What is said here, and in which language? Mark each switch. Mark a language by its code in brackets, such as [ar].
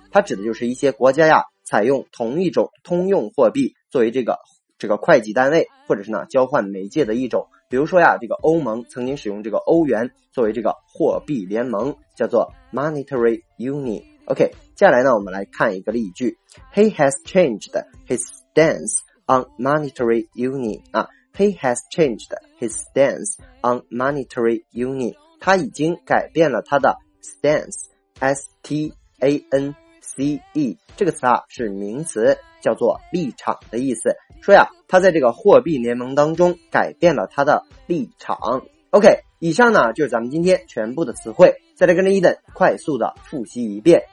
[zh] 它指的就是一些国家呀采用同一种通用货币作为这个会计单位，或者是呢交换媒介的一种。比如说呀这个欧盟曾经使用这个欧元作为这个货币联盟，叫做 Monetary Union。 OK， 接下来呢我们来看一个例句。 [en] He has changed his stanceon monetary union 啊 ，He has changed his stance on monetary union. [zh] 他已经改变了他的 stance. S T A N C E 这个词啊是名词，叫做立场的意思。说呀，他在这个货币联盟当中改变了他的立场。 OK， 以上呢就是咱们今天全部的词汇。再来跟着伊登快速的复习一遍。